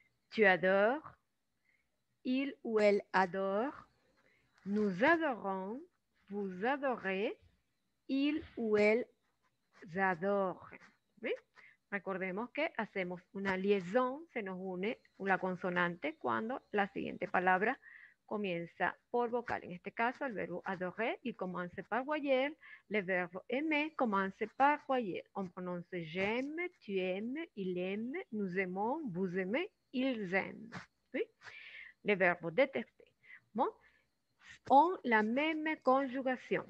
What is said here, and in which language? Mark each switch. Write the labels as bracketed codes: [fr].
[fr] Tu adores, il ou elle adore, nous adorons, vous adorez, il ou elle adore. [es] ¿Sí? Recordemos que hacemos una liaison, se nos une la consonante cuando la siguiente palabra comienza por vocal. En este caso, el verbo [fr] adorer y commence par voyelle, le verbo aimer commence par voyelle. On prononce j'aime, tu aimes, il aime, nous aimons, vous aimez. Ils aiment. ¿Sí? Le verbo détester. Bon. Ont la même conjugación.